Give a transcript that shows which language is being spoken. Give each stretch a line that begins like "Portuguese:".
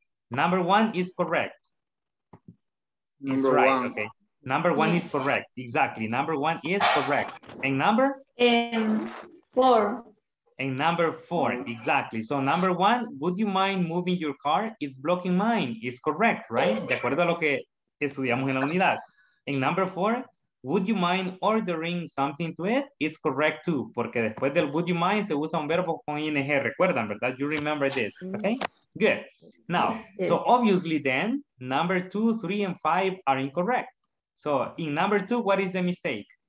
English: Number one is correct. Number right. One. Okay. Number one is correct. Exactly. Number one is correct. And number? Four. And number four. Exactly. So number one, would you mind moving your car? It's blocking mine. It's correct, right?
Spanish: De acuerdo a lo que estudiamos en la unidad.
English: And number four, would you mind ordering something to it? It's correct too.
Spanish: Porque después del
English: would you mind,
Spanish: se usa un verbo con ing. Recuerdan, ¿verdad?
English: You remember this, okay? Good. Now, so obviously then, number two, three, and five are incorrect. So in number two, what is the mistake?